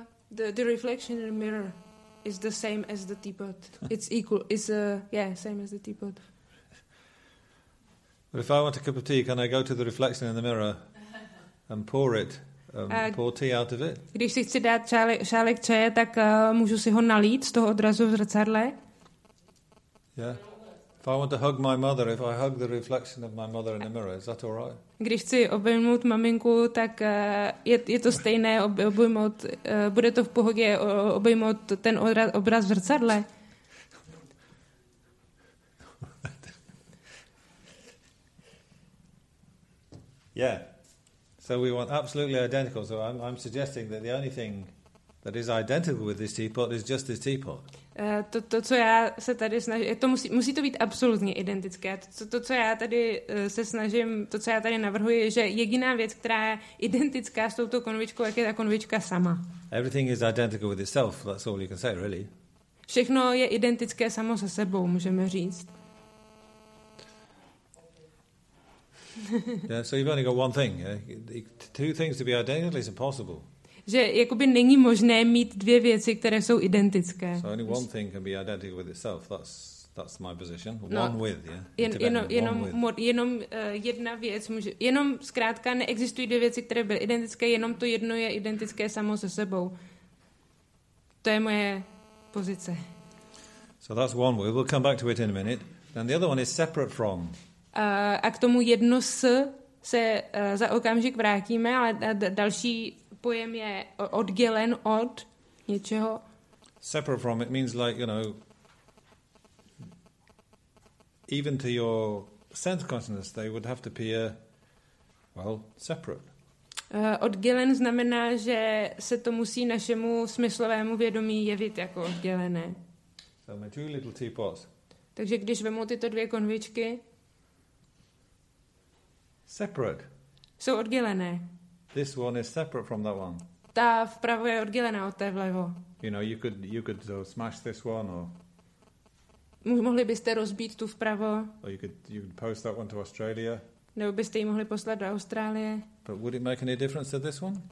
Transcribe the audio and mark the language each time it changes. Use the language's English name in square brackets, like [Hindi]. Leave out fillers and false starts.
[English] The reflection in the mirror is the same as the teapot. It's equal. It's same as the teapot. But if I want a cup of tea, can I go to the reflection in the mirror and pour it? Pour tea out of it? [Czech] Když si chci dát šálek čaje, tak můžu si ho nalít z toho odrazu v zrcadle. [English] Yeah. If I want to hug my mother, if I hug the reflection of my mother in the mirror, is that all right? [Czech] Když chci obejmout maminku, tak je to stejné obejmout, bude to v pohodě obejmout ten obraz v zrcadle. [English] Yeah. So we want absolutely identical. So I'm suggesting that the only thing that is identical with this teapot is just this teapot. [Czech] To, co já se tady snažím, to musí to být absolutně identické. To, co já tady se snažím, to, co já tady navrhuji, je, že jediná věc, která je identická s touto konvičkou, jak je ta konvička sama. [English] Everything is identical with itself, that's all you can say, really. [Czech] Všechno je identické samo se sebou, můžeme říct. [English] Yeah, so you've only got one thing. Two things to be identical is impossible. [Czech] Že jakoby není možné mít dvě věci, které jsou identické. [English] So only one thing can be identical with itself. That's my position. No, one with, yeah. [Czech] Jedna věc může. Jenom zkrátka neexistují dvě věci, které byly identické. Jenom to jedno je identické samo se sebou. To je moje pozice. [English] So that's one with. We'll come back to it in a minute. Then the other one is separate from. [Czech] A k tomu jedno s se za okamžik vrátíme, ale další pojem je oddělen od něčeho. [English] Separate from, it means like, you know, even to your sense consciousness, they would have to appear, well, separate. [Czech] Oddělen znamená, že se to musí našemu smyslovému vědomí jevit jako oddělené. [English] So my two little teapots. [Czech] Takže když vemu tyto dvě konvičky, [English] separate. [Czech] Jsou oddělené. [English] This one is separate from that one. [Czech] Ta vpravo je oddělená od té vlevo. [English] You know, you could smash this one or. [Czech] Mohli byste rozbít tu vpravo. [English] Or you could post that one to Australia. [Czech] Nebo byste ji mohli poslat do Austrálie. [English] But would it make any difference to this one?